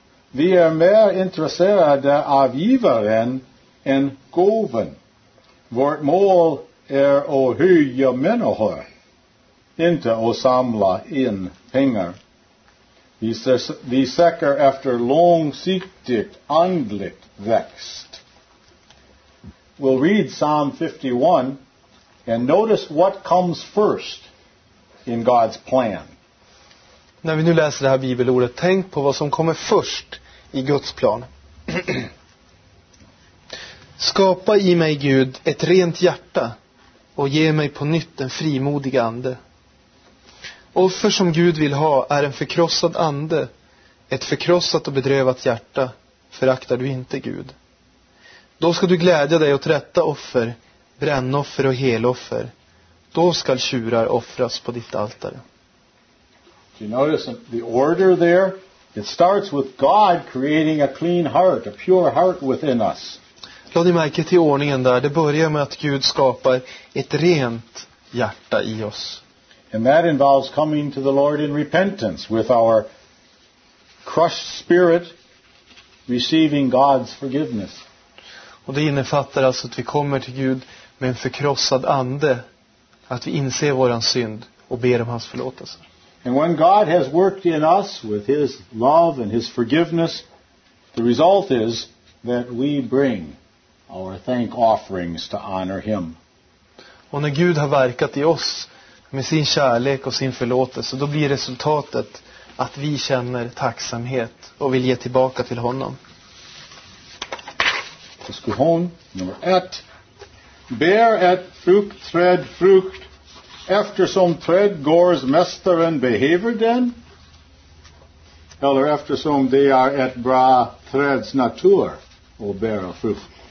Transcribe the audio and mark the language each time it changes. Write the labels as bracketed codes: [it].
[sv] Vi är mer intresserade av givaren än gåvan. Vårt mål är att höja människor, inte att samla in pengar. Vi söker efter långsiktigt andligt växt. [en] We'll read Psalm 51 and notice what comes first in God's plan. [sv] När vi nu läser det här bibelordet, tänk på vad som kommer först i Guds plan. Skapa i mig, Gud, ett rent hjärta och ge mig på nytt en frimodig ande. Offer som Gud vill ha är en förkrossad ande, ett förkrossat och bedrövat hjärta föraktar du inte, Gud. Då ska du glädja dig åt rätta offer, brännoffer och heloffer. Då ska tjurar offras på ditt altare. [en] Do you notice the order there? It starts with God creating a clean heart, a pure heart within us. [sv] Låt ni märke till ordningen där. Det börjar med att Gud skapar ett rent hjärta i oss. [en] And that involves coming to the Lord in repentance with our crushed spirit, receiving God's forgiveness. [sv] Och det innefattar alltså att vi kommer till Gud med en förkrossad ande, att vi inser våran synd och ber om hans förlåtelse. [en] And when God has worked in us with his love and his forgiveness, the result is that we bring our thank offerings to honor him. [sv] Och när Gud har verkat i oss med sin kärlek och sin förlåtelse, då blir resultatet att vi känner tacksamhet och vill ge tillbaka till honom. Diskussion nummer ett. Bär ett fruktträd frukt, eftersom trädgårdsmästaren behöver den, eller eftersom det är ett bra träds natur att bära frukt.